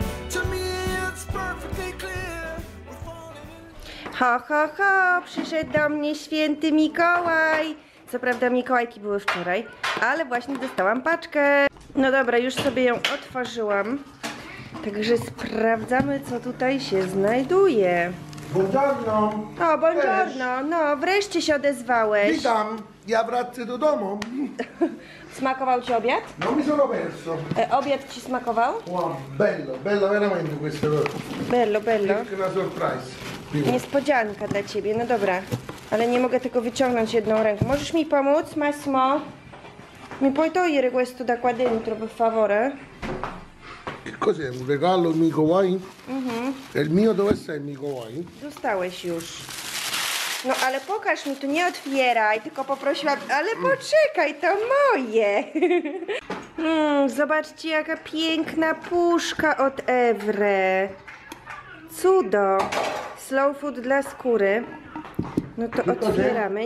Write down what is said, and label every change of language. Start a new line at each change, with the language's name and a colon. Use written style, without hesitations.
English: To me, it's perfectly clear. We're falling in love.
Polish: Ho, ho, ho, przyszedł do mnie święty Mikołaj. Co prawda, Mikołajki były wczoraj, ale właśnie dostałam paczkę. No dobra, już sobie ją otworzyłam. Także sprawdzamy, co tutaj się znajduje.
Italian: Buongiorno! O, buongiorno!
Polish: No, wreszcie się odezwałeś. Witam! Ja wracę do domu. Smakował Ci obiad?
Italian: No, mi sono perso.
Polish: Obiad Ci smakował?
Italian: Wow, bello, bello, veramente questo. Bello, bello.
Polish: Piękna surprise. Niespodzianka dla Ciebie, no dobra. Ale nie mogę tego wyciągnąć jedną ręką. Możesz mi pomóc, Massimo?
Italian: Mi puoi togliere questo da qua dentro, per favore? Che cos'è? Un regalo Mikołaj? E il mio dove sei Mikołaj?
Polish: Dostałeś już. No ale pokaż mi, tu nie otwieraj, tylko poprosiłam, ale poczekaj, to moje. zobaczcie, jaka piękna puszka od Evre. Cudo. Slow food dla skóry. No to otwieramy.